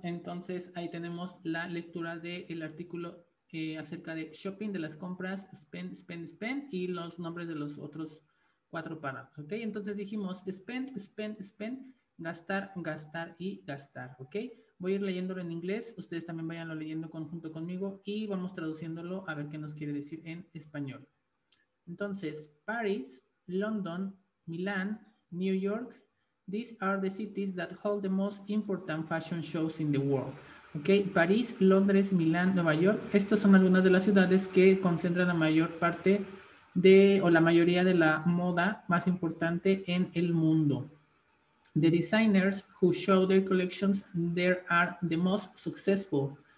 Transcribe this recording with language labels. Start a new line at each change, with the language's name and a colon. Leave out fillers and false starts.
Spanish: Entonces, ahí tenemos la lectura del artículo acerca de shopping, de las compras, spend, y los nombres de los otros cuatro párrafos, ¿ok? Entonces dijimos spend, gastar y gastar, ¿ok? Voy a ir leyéndolo en inglés, ustedes también vayanlo leyendo conjunto conmigo y vamos traduciéndolo a ver qué nos quiere decir en español.
English: Entonces, Paris, London, Milán, New York, these are the cities that hold the most important fashion shows in the world.
Spanish: Ok, París, Londres, Milán, Nueva York. Estas son algunas de las ciudades que concentran la mayor parte de, o la mayoría de la moda más importante en el mundo.
English: The designers who show their collections there are the most successful.